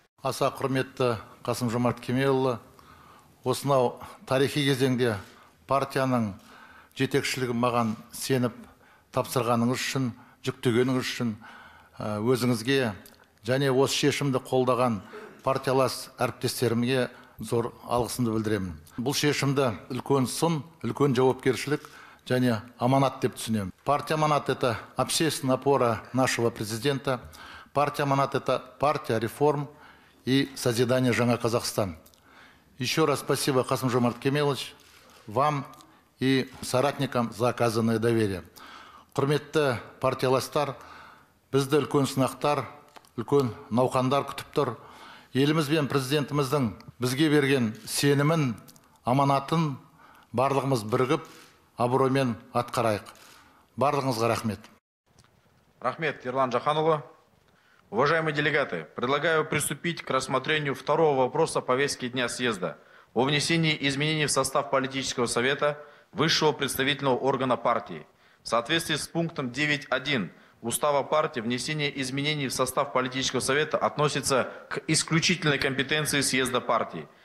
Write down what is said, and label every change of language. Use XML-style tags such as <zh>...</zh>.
<kk>Аса құрметті Қасым-Жомарт Кемелұлы, осынау тарихи кезеңде партияның жетекшілігі маған сеніп тапсырғаныңыз үшін, жүктегеніңіз үшін өзіңізге және осы шешімді қолдаған партиялас әріптестерімге зор алғысымды білдіремін. Бұл шешімді үлкен сын, үлкен жауапкершілік және аманат деп түсінемін.</kk> <ru>Партия аманат – это общественная опора нашего президента. Партия аманат – это партия реформ и созидание</ru> <kk>жаңа Казахстан.</kk> <ru>Еще раз спасибо, Қасым-Жомарт Кемелович, вам и соратникам за оказанное доверие.</ru> <kk>Құрметті партияластар, бізді үлкен сынақтар, үлкен науқандар күтіп тұр. Еліміз бен президентіміздің бізге берген сенімін, аманатын барлығымыз бірігіп, абыроймен атқарайық. Барлығыңызға рахмет. Рахмет, Ерлан Жаханұлы.</kk> <ru>Уважаемые делегаты, предлагаю приступить к рассмотрению второго вопроса повестки дня съезда о внесении изменений в состав политического совета высшего представительного органа партии. В соответствии с пунктом 9.1 Устава партии внесение изменений в состав политического совета относится к исключительной компетенции съезда партии.</ru>